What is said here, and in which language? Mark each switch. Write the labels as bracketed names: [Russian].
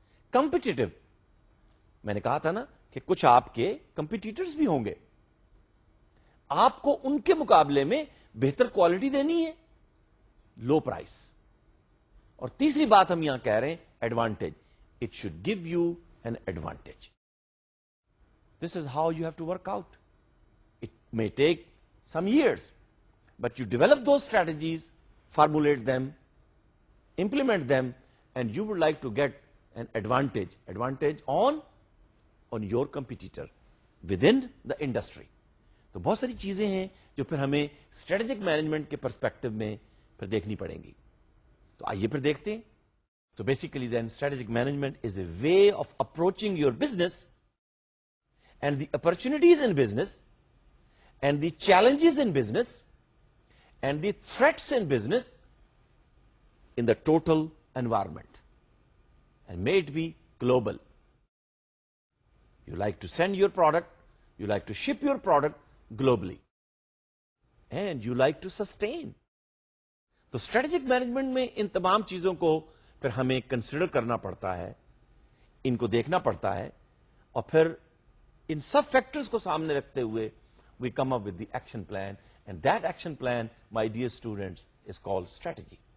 [Urdu] Competitive میں نے کہا تھا نا کہ کچھ آپ کے کمپیٹیٹرز بھی ہوں گے, آپ کو ان کے مقابلے میں بہتر کوالٹی دینی ہے, لو پرائس. اور تیسری بات ہم یہاں کہہ رہے ہیں advantage, [English] it should give you an advantage. This is how you have to work out. It may take some years, but you develop those strategies, formulate them, implement them, and you would like to get an advantage. Advantage on your competitor within the industry. [Urdu] تو بہت ساری چیزیں ہیں جو پھر ہمیں strategic management کے perspective میں پھر دیکھنی پڑیں گی. تو آئیے پھر دیکھتے ہیں. [English] So basically then strategic management is a way of approaching your business and the opportunities in business and the challenges in business and the threats in business in the total environment. and may it be global. You like to send your product, you like to ship your product globally, and you like to sustain. [Urdu] تو strategic management میں ان تمام چیزوں کو پھر ہمیں consider کرنا پڑتا ہے, ان کو دیکھنا پڑتا ہے, اور پھر ان سب فیکٹرز کو سامنے رکھتے ہوئے [English] We come up with the action plan, and that action plan my dear students is called strategy.